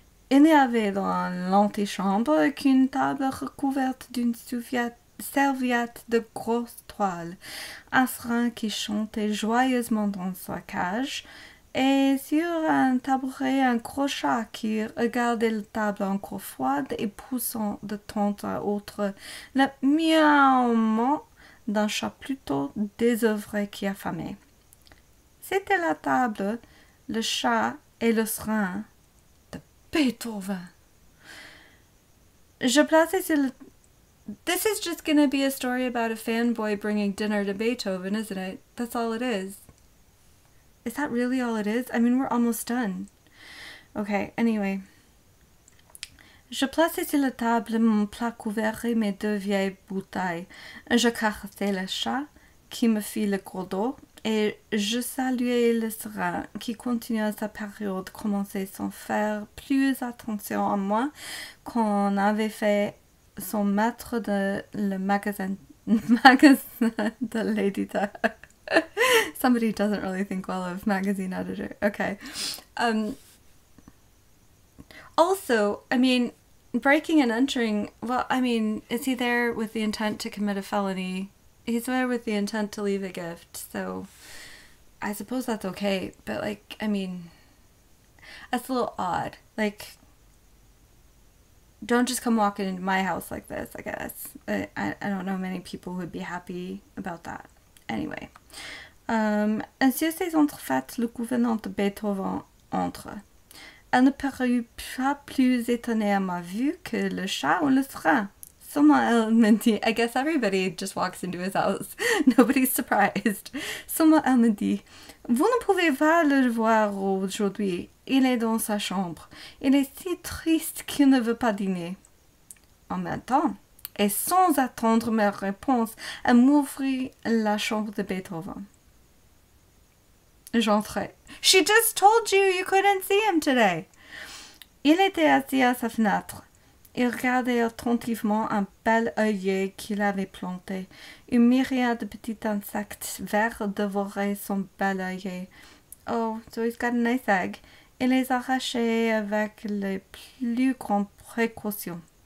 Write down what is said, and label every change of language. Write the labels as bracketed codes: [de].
[fr] Il n'y avait dans l'antichambre qu'une table recouverte d'une serviette de grosse toile, un serin qui chantait joyeusement dans sa cage, et sur un tabouret un gros chat qui regardait la table encore froide et poussant de temps à autre le miaulement d'un chat plutôt désœuvré qu'affamé. C'était la table, le chat et le serin. Beethoven. Je plaçais sur le. [en] This is just gonna be a story about a fanboy bringing dinner to Beethoven, isn't it? That's all it is. Is that really all it is? I mean, we're almost done. Okay, anyway. [fr] Je plaçais sur la table mon plat couvert et mes deux vieilles bouteilles. Je caressais le chat qui me fit le gros dos. Et je saluai le serin qui continua sa période commencée sans faire plus attention à moi qu'en avait fait son maître de le magasin de l'éditeur. [en] Somebody doesn't really think well of magazine editor. Okay. Also, I mean, breaking and entering, well, I mean, is he there with the intent to commit a felony? He's there with the intent to leave a gift, so I suppose that's okay, but like, I mean, that's a little odd. Like, don't just come walking into my house like this, I guess. I don't know many people who would be happy about that. Anyway. [fr] Sur ces entrefaites, le gouvernante de Beethoven entre. Elle ne parut pas plus étonnée à ma vue que le chat ou le serin. [en] I guess everybody just walks into his house. Nobody's surprised. [fr] Seulement, elle me dit, vous ne pouvez pas le voir aujourd'hui. Il est dans sa chambre. Il est si triste qu'il ne veut pas dîner. En même temps, et sans attendre ma réponse, elle m'ouvrit la chambre de Beethoven. J'entrai. [en] She just told you you couldn't see him today. [fr] Il était assis à sa fenêtre. Il regardait attentivement un bel œillet qu'il avait planté. Une myriade de petits insectes verts dévoraient son bel œillet. [en] Oh, so he's got a nice egg. [fr] Il les arrachait avec les plus grandes précautions.